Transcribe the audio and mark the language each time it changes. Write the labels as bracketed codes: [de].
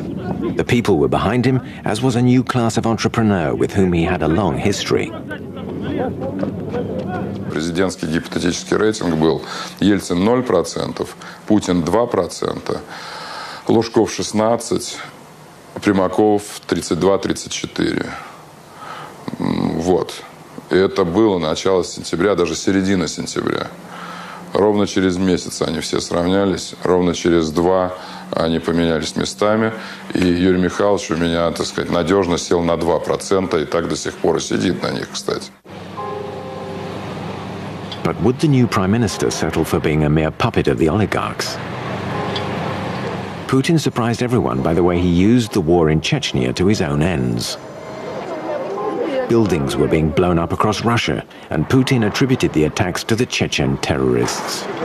[en] The people were behind him, as was a new class of entrepreneur with whom he had a long history. [ru] Президентский гипотетический рейтинг был: Ельцин 0%, Путин 2%, Лужков 16%, Примаков 32-34%. Вот. И это было начало сентября, даже середина сентября. Ровно через месяц они все сравнялись, ровно через два они поменялись местами. И Юрий Михайлович у меня, так сказать, надежно сел на 2%, и так до сих пор и сидит на них, кстати. [en] But would the new prime minister settle for being a mere puppet of the oligarchs? Putin surprised everyone by the way he used the war in Chechnya to his own ends. Buildings were being blown up across Russia, and Putin attributed the attacks to the Chechen terrorists.